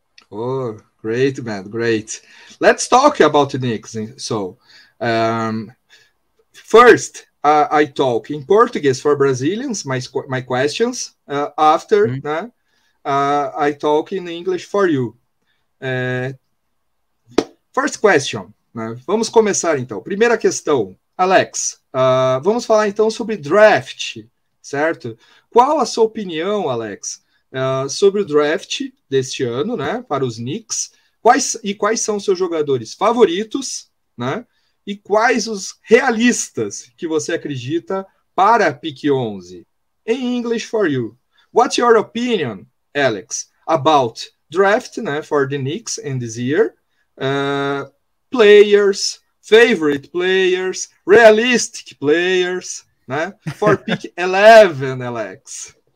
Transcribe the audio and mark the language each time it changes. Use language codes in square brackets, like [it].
[en] Oh, great, man, great. Let's talk about the Knicks. So, first, I talk in Portuguese for Brazilians, my questions. After, né, I talk in English for you. First question, [pt] né, vamos começar então. Primeira questão, Alex, vamos falar então sobre draft, certo? Qual a sua opinião, Alex, sobre o draft deste ano, né, para os Knicks? Quais são os seus jogadores favoritos, né? E quais os realistas que você acredita para pick 11? [en] In English for you, what's your opinion, Alex, about draft, né, for the Knicks in this year? Players, favorite players, realistic players, né, for pick 11, Alex.